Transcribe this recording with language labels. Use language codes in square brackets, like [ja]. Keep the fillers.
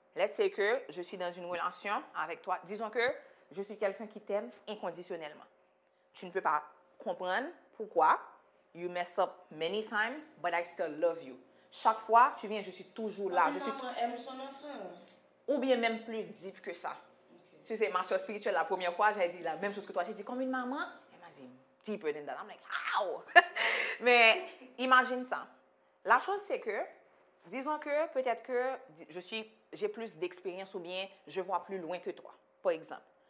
[en] Let's say [fr] que je suis dans une relation avec toi. Disons que je suis quelqu'un qui t'aime inconditionnellement. Tu ne peux pas comprendre pourquoi. [en] You mess up many times, but I still love you. [fr] Chaque fois, tu viens, je suis toujours là. Je suis aime son enfant. Ou bien même plus deep que ça. Si tu sais, ma soeur spirituelle, la première fois, j'ai dit la même chose que toi. J'ai dit, comme une maman, elle m'a dit, [en] deeper than that. I'm like, wow! [fr] Mais imagine ça. La chose, c'est que, disons que peut-être que je suis j'ai plus d'expérience ou bien je vois plus loin que toi, par exemple.